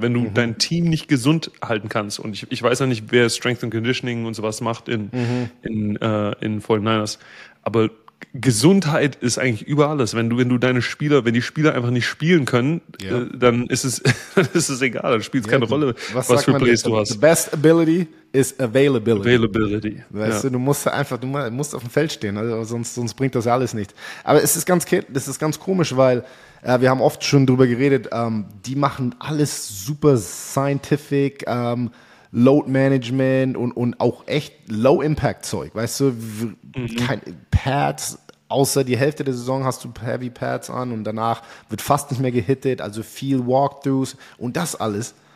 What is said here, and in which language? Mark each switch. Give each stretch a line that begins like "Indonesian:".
German: Wenn du dein Team nicht gesund halten kannst, und ich weiß ja nicht, wer Strength and Conditioning und sowas macht in 49ers, aber Gesundheit ist eigentlich über alles. Wenn die Spieler einfach nicht spielen können, dann ist es egal, dann spielt es keine Rolle, was für Plays du hast.
English: The best ability is availability. Availability.
German: Weißt du musst einfach, du musst auf dem Feld stehen, also sonst bringt das ja alles nicht. Aber es ist ganz komisch, weil wir haben oft schon drüber geredet, die machen alles super scientific, Load Management und auch echt Low Impact Zeug, weißt du, kein Pads, außer die Hälfte der Saison hast du Heavy Pads an und danach wird fast nicht mehr gehittet, also viel Walkthroughs und das alles.